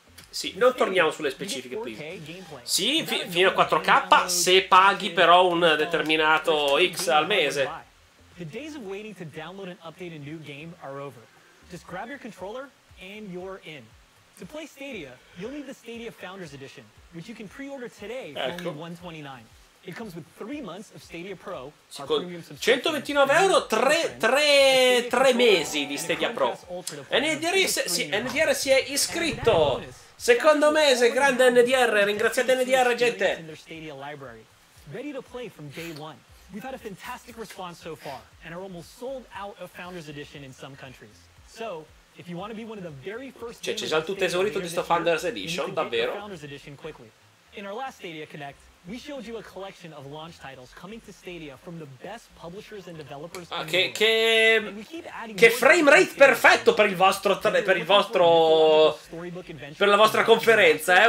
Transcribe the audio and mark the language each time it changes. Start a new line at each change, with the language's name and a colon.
Italian: Sì, non torniamo sulle specifiche, please. Sì, fino a 4K se paghi però un determinato X al mese.
English: The days of waiting to download and update a new game are over. Just grab your controller and you're in. To play Stadia, you'll need the Stadia Founders Edition, which you can pre-order today for only $129. It comes with 3 months of Stadia Pro, our premium
Italian: subscription. €129, tre mesi di Stadia Pro. NDR si è iscritto! Secondo mese, grande NDR! Ringraziate NDR, gente!
English: Ready to play from day one. We've had a fantastic response so far, and are almost sold out of Founders Edition in some countries. So, if you want to be one of the very first,
Italian: cioè, c'è già tutto esaurito di sto Founders Edition, davvero?
English: In our last Stadia Connect, we showed you a collection of launch titles coming to Stadia from the best publishers and developers.
Italian: Ah, che frame rate perfetto per il vostro, per il vostro, per la vostra conferenza, eh?